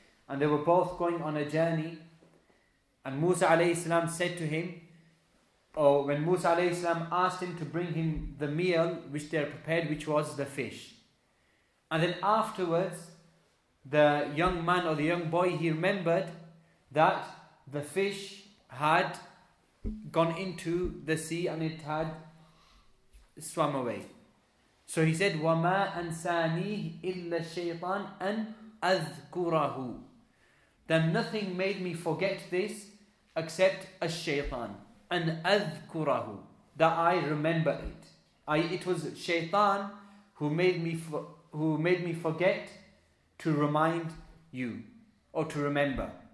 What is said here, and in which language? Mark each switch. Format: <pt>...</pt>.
<en>And they were both going on a journey. And Musa alayhi salam said to him, or when Musa alayhi salam asked him to bring him the meal which they had prepared, which was the fish. And then afterwards, the young man or the young boy, he remembered that the fish had gone into the sea and it had swam away. So he said,</en> <ar>وَمَا أَنْسَانِيهِ إِلَّا الشَّيْطَانِ أَنْ أَذْكُرَهُ.</ar> <en>Then nothing made me forget this except a shaytan.</en> <ar>أَنْ أَذْكُرَهُ.</ar> <en>That I remember it. It was shaytan who made me forget to remind you or to remember.</en>